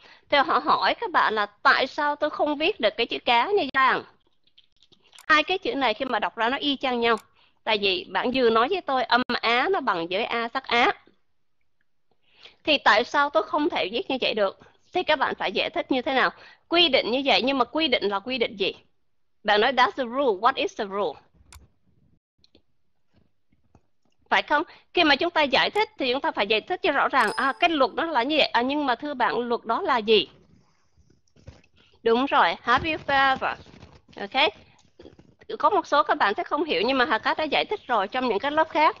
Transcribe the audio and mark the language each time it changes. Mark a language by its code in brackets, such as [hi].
[vi] Thì họ hỏi các bạn là tại sao tôi không viết được cái chữ cá như vậy? Hai cái chữ này khi mà đọc ra nó y chang nhau. Tại vì bạn vừa nói với tôi âm á nó bằng với a sắc á. Thì tại sao tôi không thể viết như vậy được? Thì các bạn phải giải thích như thế nào? Quy định như vậy, nhưng mà quy định là quy định gì? Bạn nói [en] that's the rule, what is the rule? [vi] Phải không? Khi mà chúng ta giải thích thì chúng ta phải giải thích cho rõ ràng, à, cái luật đó là như vậy, à, nhưng mà thưa bạn luật đó là gì? Đúng rồi, [en] have you ever? [vi] Ok, có một số các bạn sẽ không hiểu nhưng mà Hà Cát đã giải thích rồi trong những cái lớp khác.